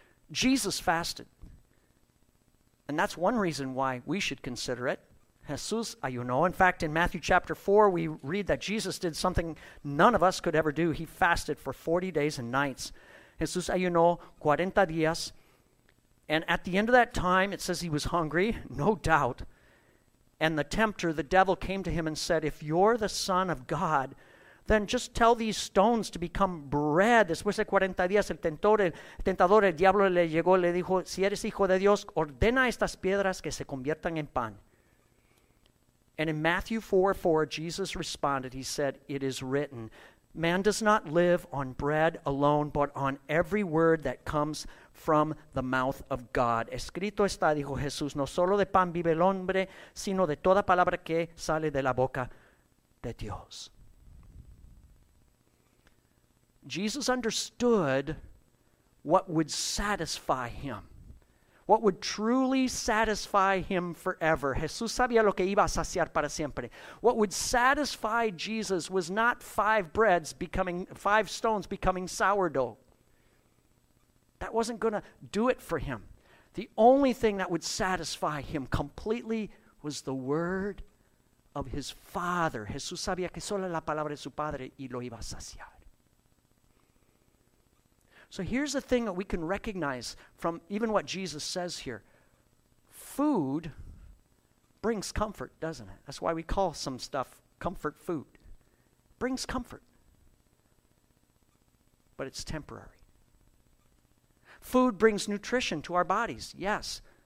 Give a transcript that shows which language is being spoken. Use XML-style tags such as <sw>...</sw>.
<en>Jesus fasted. And that's one reason why we should consider it.</en> <es>Jesús ayunó.</es> <en>In fact, in Matthew chapter 4, we read that Jesus did something none of us could ever do. He fasted for 40 days and nights.</en> <es>Jesús ayunó 40 días.</es> <en>And at the end of that time, it says he was hungry, no doubt. And the tempter, the devil, came to him and said, if you're the Son of God, then just tell these stones to become bread.</en> <es>Después de 40 días, el tentador, el diablo, le llegó y le dijo, si eres hijo de Dios, ordena estas piedras que se conviertan en pan.</es> <en>And in Matthew 4:4, Jesus responded, he said, it is written, man does not live on bread alone, but on every word that comes from the mouth of God.</en> <es>Escrito está, dijo Jesús, no solo de pan vive el hombre, sino de toda palabra que sale de la boca de Dios.</es> <en>Jesus understood what would satisfy him. What would truly satisfy him forever.</en> <es>Jesús sabía lo que iba a saciar para siempre.</es> <en>What would satisfy Jesus was not five stones becoming sourdough. That wasn't going to do it for him. The only thing that would satisfy him completely was the word of his Father.</en> <es>Jesús sabía que solo la palabra de su Padre y lo iba a saciar.</es> <en>So here's the thing that we can recognize from even what Jesus says here. Food brings comfort, doesn't it? That's why we call some stuff comfort food. Brings comfort. But it's temporary. Food brings nutrition to our bodies, yes.</en>